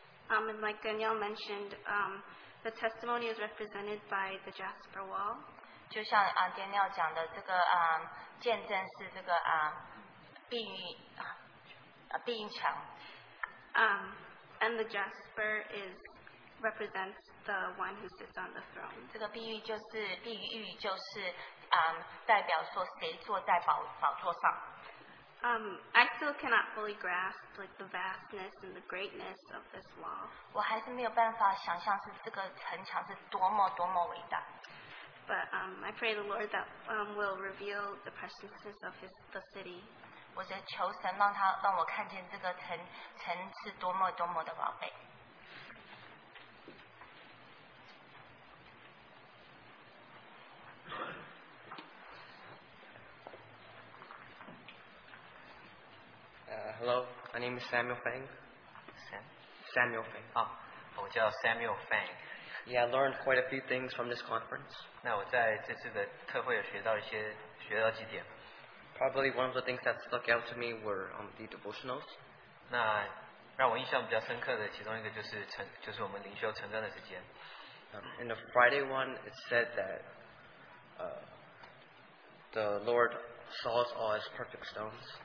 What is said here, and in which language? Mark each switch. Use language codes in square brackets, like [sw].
[en] And like Danielle mentioned, the testimony is represented by the Jasper Wall. [zh] 就像 Danielle 讲的，这个 见证是这个 碧云墙。 [en] And the Jasper is represents the one who sits on the throne. [zh] 这个碧玉就是 代表说谁坐在宝座上。 [en] I still cannot fully grasp like the vastness and the greatness of this wall. [zh] 我还是没有办法想象是这个城墙是多么多么伟大。 [en] But I pray the Lord that will reveal the preciousness of the city. [zh] 我在求神让我看见这个城是多么多么的宝贝。 [en] Hello, my name is Samuel Fang. Samuel Fang. [zh] Oh, 我叫 Samuel Fang. [en] Yeah, I learned quite a few things from this conference. [zh] 那我在这次的特会有学到一些，学到几点。 [en] Probably one of the things that stuck out to me were the devotionals. [zh] 那让我印象比较深刻的其中一个就是我们灵修成长的时间。 [en] In the Friday one, it said that the Lord saw us all as perfect stones.